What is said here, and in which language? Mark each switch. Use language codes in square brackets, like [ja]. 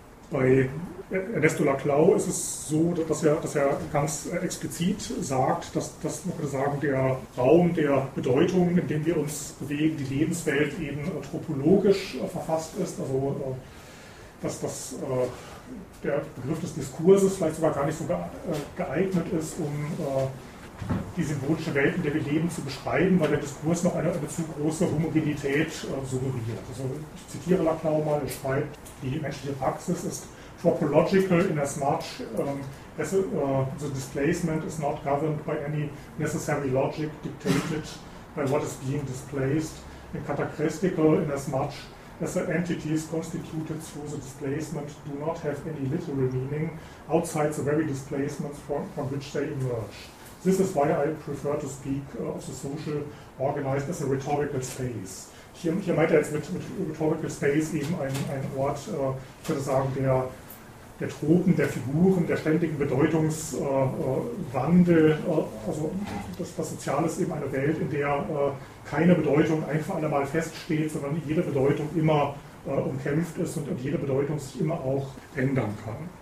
[de] Bei Ernesto Laclau ist es so, dass er ganz explizit sagt, dass man könnte sagen, der Raum der Bedeutung, in dem wir uns bewegen, die Lebenswelt eben tropologisch verfasst ist. Also dass das der Begriff des Diskurses vielleicht sogar gar nicht so geeignet ist, um die symbolische Welt, in der wir leben, zu beschreiben, weil der Diskurs noch eine zu große Homogenität suggeriert. Also ich zitiere Laclau mal, er schreibt, die menschliche Praxis ist [en] tropological in as much as the displacement is not governed by any necessary logic dictated by what is being displaced, and cataclysmical in as much as the entities constituted through the displacement do not have any literal meaning outside the very displacements from which they emerge. This is why I prefer to speak of the social organized as a rhetorical space. [de] Hier meint er jetzt mit rhetorical space eben einen Ort, ich würde sagen, der Tropen, der Figuren, der ständigen Bedeutungswandel, also das Soziale ist eben eine Welt, in der keine Bedeutung ein für alle Mal feststeht, sondern jede Bedeutung immer umkämpft ist und jede Bedeutung sich immer auch ändern kann.